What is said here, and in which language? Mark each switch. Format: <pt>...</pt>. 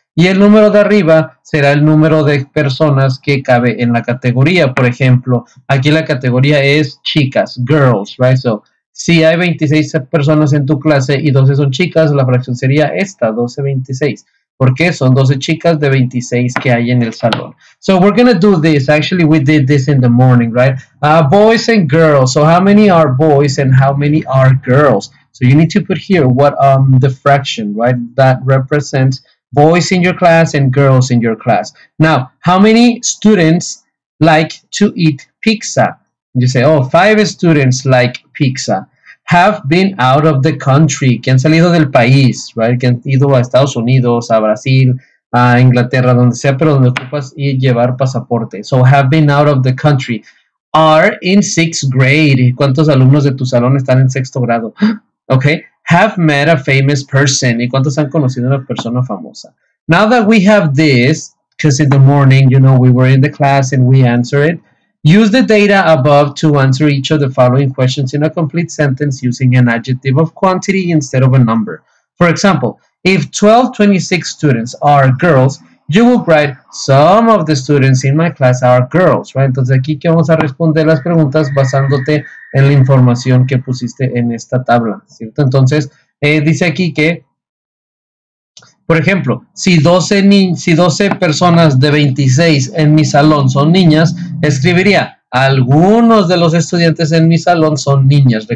<es>Y el número de arriba será el número de personas que cabe en la categoría. Por ejemplo, aquí la categoría es chicas,</es> <en>girls, right?</en> <es>So, si hay 26 personas en tu clase y 12 son chicas, la fracción sería esta, 12/26. Porque son 12 chicas de 26 que hay en el salón.</es> <en>So we're going to do this. Actually, we did this in the morning, right? Boys and girls. So how many are boys and how many are girls? So you need to put here what the fraction, right? That represents boys in your class and girls in your class. Now, how many students like to eat pizza? You say, oh, 5 students like pizza. Have been out of the country,</en> <es>que han salido del país,</es> <en>right?</en> <es>Que han ido a Estados Unidos, a Brasil, a Inglaterra, donde sea, pero donde ocupas y llevar pasaporte.</es> <en>So have been out of the country. Are in sixth grade.</en> <es>¿Cuántos alumnos de tu salón están en sexto grado? Okay.</es> <en>Have met a famous person.</en> <es>¿Y cuántos han conocido a una persona famosa?</es> <en>Now that we have this, because in the morning, you know, we were in the class and we answered it. Use the data above to answer each of the following questions in a complete sentence using an adjective of quantity instead of a number. For example, if 12/26 students are girls, you will write, some of the students in my class are girls, right?</en> <es>Entonces aquí que vamos a responder las preguntas basándote en la información que pusiste en esta tabla, ¿cierto? Entonces, dice aquí que, por ejemplo, si 12 personas de 26 en mi salón son niñas, escribiría, algunos de los estudiantes en mi salón son niñas.</es>